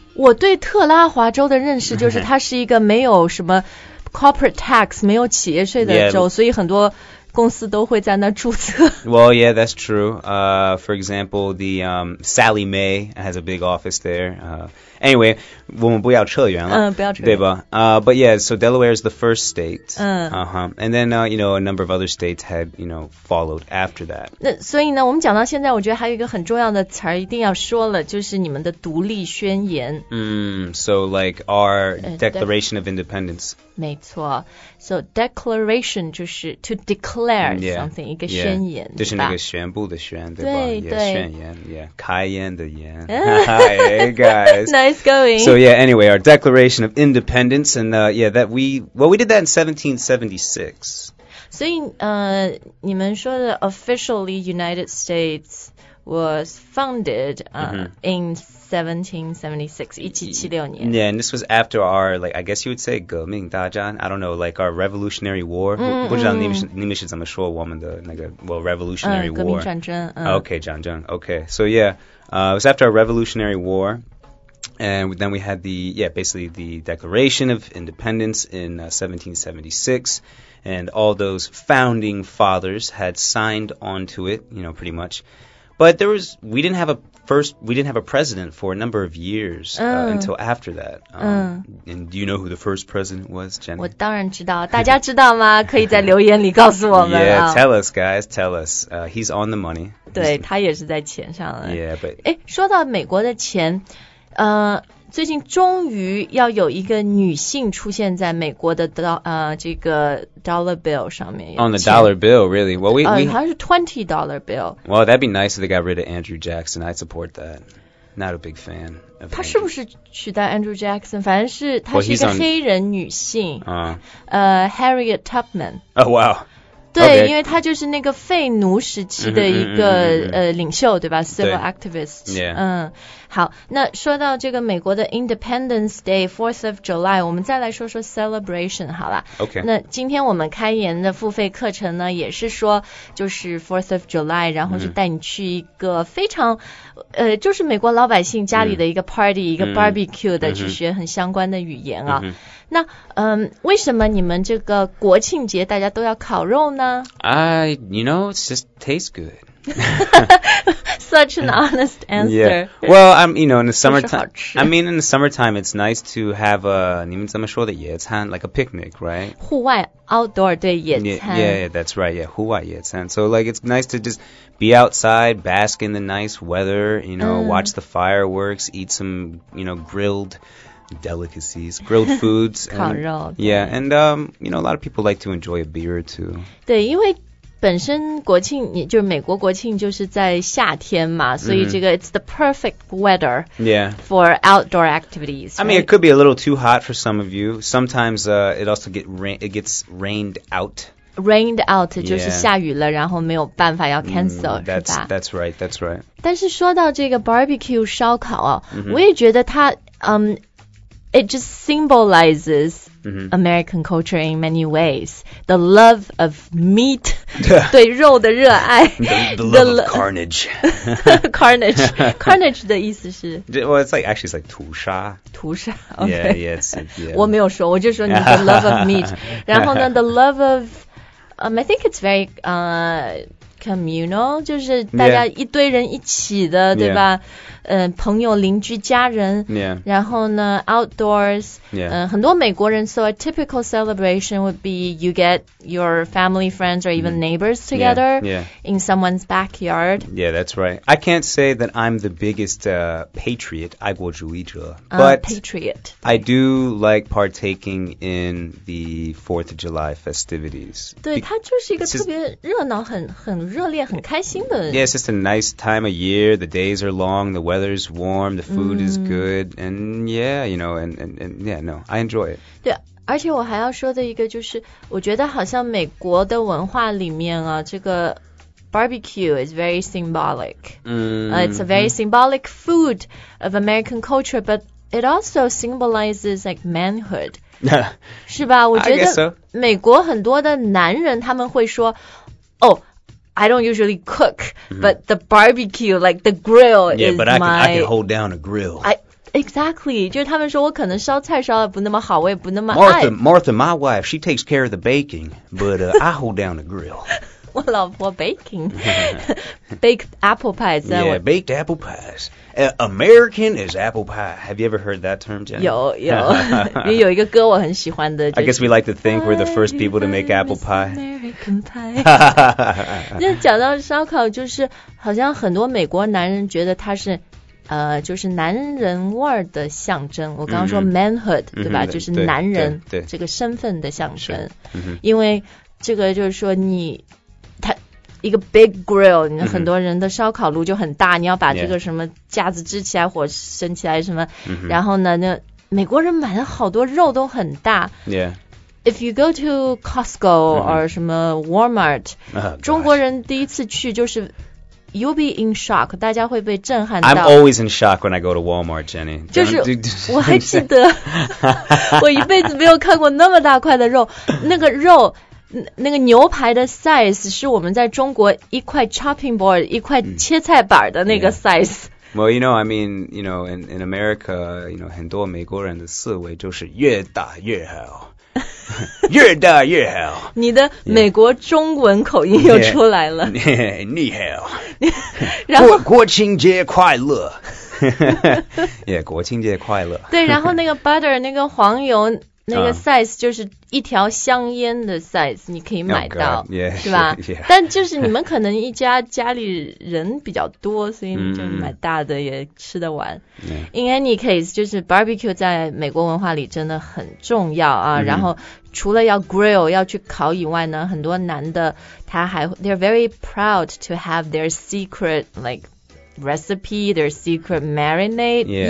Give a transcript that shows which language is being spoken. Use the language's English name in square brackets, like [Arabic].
[Chinese] 我对特拉华州的认识就是它是一个没有什么 corporate tax, 没有企业税的州 所以很多公司都会在那注册。 [English] Well, yeah, that's true. For example, the Sally Mae has a big office there. [Chinese] Anyway, 我们不要扯远了。不要扯远。对吧？ [English] But yeah, so Delaware is the first state. And then, you know, a number of other states had, you know, followed after that. [Chinese] 所以呢，我们讲到现在，我觉得还有一个很重要的词儿一定要说了，就是你们的独立宣言。 [English] So like our Declaration of Independence. [Chinese] 没错。 [English] So declaration 就是 to declare something, [Chinese] 一个宣言。就是那个宣布的宣，对吧？对。宣言，yeah, 开言的言。 [English] Hey, guys. Nice going. So yeah, anyway, our Declaration of Independence, and yeah, that we did that in 1776. [Chinese] 所以你们说的 [English] officially United States was founded in 1776, 1776年. Yeah, and this was after our, like, I guess you would say [Chinese] 革命大战, [English] I don't know, like our Revolutionary War. [Chinese] 不知道你们是怎么说我们的那个, [English] well, Revolutionary War. [Chinese] 革命战争. [English] Okay, 战争, okay. So yeah, it was after our Revolutionary War. And then we had basically the Declaration of Independence in 1776. And all those founding fathers had signed onto it, you know, pretty much. But we didn't have a president for a number of years until after that. And do you know who the first president was, Jenny? [Chinese] 我当然知道。大家知道吗？可以在留言里告诉我们。 [English] Yeah, tell us, guys, tell us. He's on the money. [Chinese] 对，他也是在钱上了。 [English] Yeah, but... [Chinese] 说到美国的钱。最近终于要有一个女性出现在美国的这个 dollar bill 上面。 [English] On the dollar bill, really? Well, we 还是 twenty dollar bill. Well, that'd be nice if they got rid of Andrew Jackson. I support that. Not a big fan of. [Chinese] 他是不是取代 Andrew Jackson? 反正是他是一个黑人女性。 [English] Harriet Tubman. Oh wow. [Chinese] 对、 [English] okay. [Chinese] 因为他就是那个废奴时期的一个领袖对吧 Civil activist、 [English] yeah. [Chinese] 好那说到这个美国的 Independence Day 4th of July 我们再来说说 Celebration 好了、 [English] okay. [Chinese] 那今天我们开言的付费课程呢也是说就是 4th of July 然后是带你去一个非常、就是美国老百姓家里的一个 party、一个 barbecue 的去学很相关的语言啊、那为什么你们这个国庆节大家都要烤肉呢 [English] you know, it just tastes good. Such an honest answer. Yeah. Well, you know, in the summertime, I mean, in the summertime, it's nice to have a, [Chinese] 你们怎么说的野餐, [English] like a picnic, right? [Chinese] 户外 outdoor, 对野餐。 [English] Yeah, that's right. Yeah, [Chinese] 户外野餐。 [English] So, like, it's nice to just be outside, bask in the nice weather, you know, watch the fireworks, eat some, you know, grilled,delicacies, grilled foods, [Chinese] 烤肉 [English] and, yeah, and you know, a lot of people like to enjoy a beer too. [Chinese] 对，因为本身国庆，就是美国国庆就是在夏天嘛，所以这个 [English] it's the perfect weather, yeah, for outdoor activities. I mean, it could be a little too hot for some of you. Sometimes, it also gets rained out. [Chinese] Rained out、yeah. 就是下雨了然后没有办法要 cancel、 [English] that's right, that's right. [Chinese] 但是说到这个 barbecue 烧烤、哦 mm-hmm. 我也觉得它、 [English] it just symbolizes、mm-hmm. American culture in many ways. The love of meat, [Chinese] 对肉的热爱。 [English] The love of carnage. Carnage. [Chinese] Carnage 的意思是 [English] Well, it's like, actually it's like 屠杀。 [Chinese] 屠杀 okay. [English] Yeah, yes. Yeah. [Chinese] 我没有说我就说你 [English] the love of meat. [Chinese] 然后呢 [English] the love of,I think it's very communal, [Chinese] 就是大家一堆人一起的、 [English] yeah. [Chinese] 对吧、朋友邻居家人、 [English] yeah. [Chinese] 然后呢 outdoors、 [English] yeah. [Chinese] 很多美国人 [English] so a typical celebration would be you get your family friends or even neighbors together yeah. Yeah. in someone's backyard. Yeah, that's right. I can't say that I'm the biggest patriot, 爱国主义者 but patriot. I do like partaking in the 4th of July festivities. [Chinese] 对它就是一个特别热闹很热烈很开心的 [English] Yeah, it's just a nice time of year. The days are long. The weather weather's warm, the food、mm. is good, and yeah, you know, and yeah, no, I enjoy it. [Chinese] 对，而且我还要说的一个就是，我觉得好像美国的文化里面啊，这个 [English] Barbecue is very symbolic.、 Mm-hmm. It's a very symbolic food of American culture, but it also symbolizes like manhood. [Chinese] 是吧？我觉得美国很多的男人他们会说 ， [English] Oh, I don't usually cook,、 [Chinese] mm-hmm. [English] but the barbecue, like the grill, yeah, is my. Yeah, but I can hold down a grill. [Chinese] Exactly, 就是他们说我可能烧菜烧的不那么好，我也不那么爱。 [English] Martha, my wife, she takes care of the baking, but、I hold down the grill. [Chinese] 我老婆 baking, [English] baked apple pies. Yeah, baked apple pies. American is apple pie. Have you ever heard that term, Jenny? [Chinese] 有，有一个歌我很喜欢的。 [English] I guess we like to think we're the first people to make apple pie. American pie. [Chinese] 那讲到烧烤，就是好像很多美国男人觉得它是。就是男人味儿的象征。我刚刚说 manhood,、 mm-hmm. 对吧、 mm-hmm. 就是男人这个身份的象征。因为这个就是说你他一个 big grill, 你很多人的烧烤炉就很大、 mm-hmm. 你要把这个什么架子支起来、 [English] yeah. [Chinese] 火升起来什么、 mm-hmm. 然后呢那美国人买的好多肉都很大。 [English] Yeah. If you go to Costco、mm-hmm. or 什么 Walmart,、 oh, [Chinese] 中国人第一次去就是 [English] You'll be in shock. [Chinese] 大家会被震撼到。 [English] I'm always in shock when I go to Walmart, Jenny. [Chinese] 就是我还记得，我一辈子没有看过那么大块的肉。那个肉，那个牛排的 size 是我们在中国一块 chopping board 一块切菜板的那个 size。 [English] Yeah. Well, you know, I mean, you know, in America, you know, [Chinese] 很多美国人的思维就是越大越好。越大越好。你的美国中文口音又出来了。 [English] Yeah. Yeah, [Chinese] 你好。然后国庆节快乐。yeah, 国庆节快乐。对，然后那个 butter, 那个黄油那个 size 就是一条香烟的 size, 你可以买到、 [English] oh、God, yeah, [Chinese] 是吧 [English] yeah, yeah. [Chinese] 但就是你们可能一家家里人比较多所以你就买大的也吃得完。 Mm-hmm. [English] In any case, [Chinese] 就是 barbecue 在美国文化里真的很重要啊、mm-hmm. 然后除了要 grill, 要去烤以外呢很多男的他还 [English] they're very proud to have their secret, like,recipe, their secret marinade,、 yeah.